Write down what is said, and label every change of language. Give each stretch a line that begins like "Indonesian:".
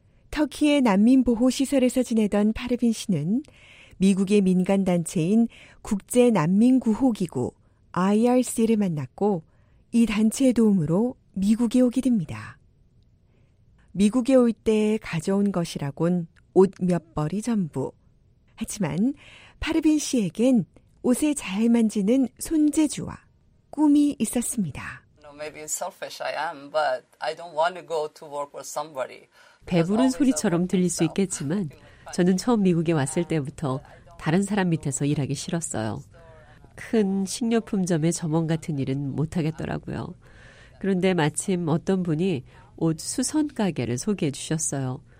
Korean: 터키의 난민보호시설에서 지내던 파르빈 씨는 미국의 민간단체인 국제난민구호기구 IRC를 만났고 이 단체의 도움으로 미국에 오게 됩니다. 미국에 올 때 가져온 것이라곤 옷 몇 벌이 전부. 하지만 파르빈 씨에겐 옷을 잘 만지는 손재주와 꿈이 있었습니다.
English: Maybe selfish I am, but I don't want to go to work for somebody.
Korean: 배부른 소리처럼 들릴 수 있겠지만 저는 처음 미국에 왔을 때부터 다른 사람 밑에서 일하기 싫었어요. 큰 식료품점의 점원 같은 일은 못하겠더라고요. 그런데 마침 어떤 분이 옷 수선 가게를 소개해 주셨어요.